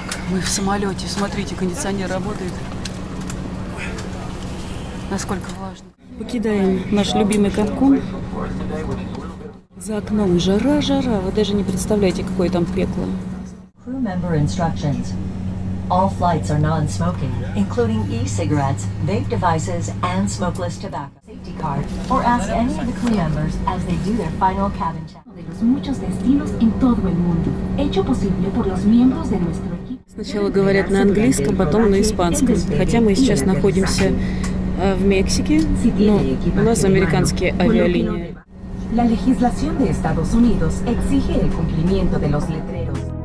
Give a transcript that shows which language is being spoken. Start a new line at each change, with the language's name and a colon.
Russian: Мы в самолете. Смотрите, кондиционер работает. Насколько влажно. Покидаем наш любимый Канкун. За окном жара, жара. Вы даже не представляете, какое там пекло.
English: Crew member instructions. All flights are non-smoking, including e-cigarettes, vape devices, and smokeless tobacco. Safety card. Or ask any of the crew members as they do their final cabin check.
Spanish: De los muchos destinos en todo el mundo, hecho posible por los miembros de nuestro equipo.
Russian: Сначала говорят на английском, потом на испанском. Хотя мы сейчас находимся в Мексике, но у нас американские авиалинии.
Spanish: La legislación de Estados Unidos exige el cumplimiento de los letreros.